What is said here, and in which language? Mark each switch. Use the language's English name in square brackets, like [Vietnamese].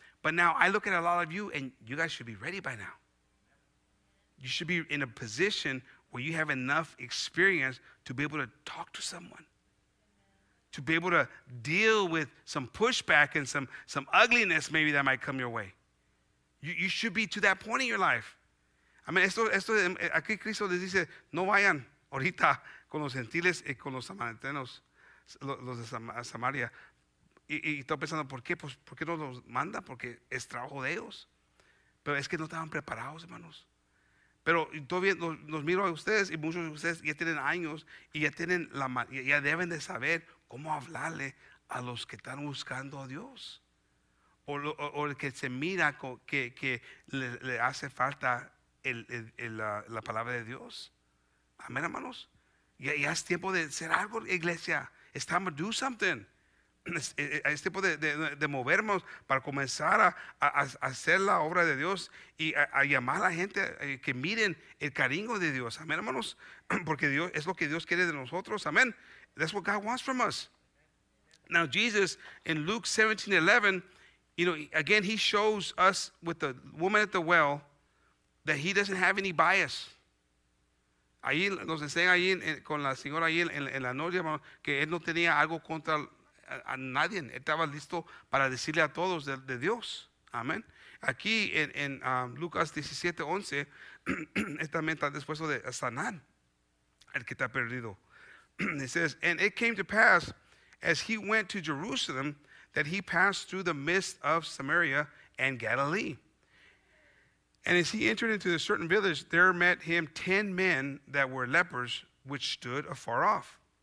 [English] But now I look at a lot of you, and you guys should be ready by now. You should be in a position where you have enough experience to be able to talk to someone, to be able to deal with some pushback and some ugliness maybe that might come your way. You should be to that point in your life. [Spanish] I mean, esto aquí Cristo les dice, no vayan ahorita con los gentiles y con los samaritanos, los de Samaria. Y estoy pensando, ¿por qué? Pues, ¿por qué no los manda? Porque es trabajo de ellos. Pero es que no estaban preparados, hermanos. Pero todavía los miro a ustedes, y muchos de ustedes ya tienen años y ya tienen ya deben de saber cómo hablarle a los que están buscando a Dios. O el que se mira que le hace falta la palabra de Dios. Amén, hermanos. Ya es tiempo de hacer algo, iglesia. [English] It's time to do something. [Spanish] Es tiempo de movernos para comenzar a hacer la obra de Dios y a llamar a la gente que miren el cariño de Dios. Amén, hermanos. Porque Dios es lo que Dios quiere de nosotros. [English] Amén. That's what God wants from us. Now, Jesus, in Luke 17:11, you know, again, he shows us with the woman at the well that he doesn't have any bias. [Spanish] Ahí nos enseña ahí con la señora ahí en la noria, que él no tenía algo contra a nadie. Él estaba listo para decirle a todos de Dios. Amén. Aquí en Lucas 17:11, él también está dispuesto de sanar al que está perdido. [English] It says, and it came to pass, as he went to Jerusalem, that he passed through the midst of Samaria and Galilee. And as he entered into a certain village, there met him 10 men that were lepers, which stood afar off.